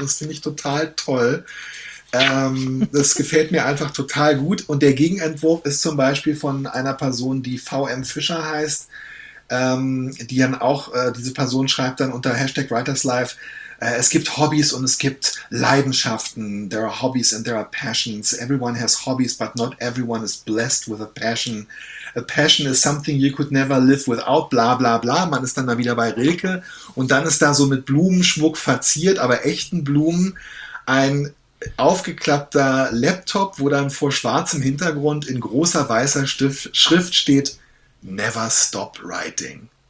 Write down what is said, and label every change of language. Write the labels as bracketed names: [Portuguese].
[German] Das finde ich total toll. Das gefällt mir einfach total gut. Und der Gegenentwurf ist zum Beispiel von einer Person, die VM Fischer heißt. Die dann auch, diese Person schreibt dann unter Hashtag WritersLife, es gibt Hobbys und es gibt Leidenschaften. [English] There are hobbies and there are passions. Everyone has hobbies, but not everyone is blessed with a passion. A passion is something you could never live without, bla bla bla. [German] Man ist dann mal wieder bei Rilke und dann ist da so mit Blumenschmuck verziert, aber echten Blumen, ein aufgeklappter Laptop, wo dann vor schwarzem Hintergrund in großer weißer Schrift steht, [English] Never stop writing.